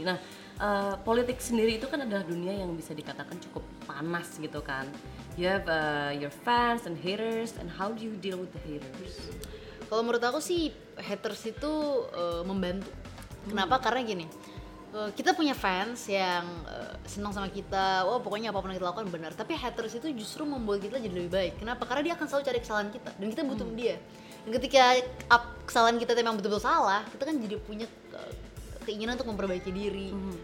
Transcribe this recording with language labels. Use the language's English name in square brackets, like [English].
[Indonesian] Nah, politik sendiri itu kan adalah dunia yang bisa dikatakan cukup panas gitu kan. [English] You have your fans and haters, and how do you deal with the haters? [Indonesian] Kalau menurut aku sih, haters itu membantu. Kenapa? Karena gini, kita punya fans yang senang sama kita, wah pokoknya apapun yang kita lakukan benar. Tapi haters itu justru membuat kita jadi lebih baik. Kenapa? Karena dia akan selalu cari kesalahan kita, dan kita butuh dia. Dan ketika kesalahan kita memang betul-betul salah, kita kan jadi punya keinginan untuk memperbaiki diri.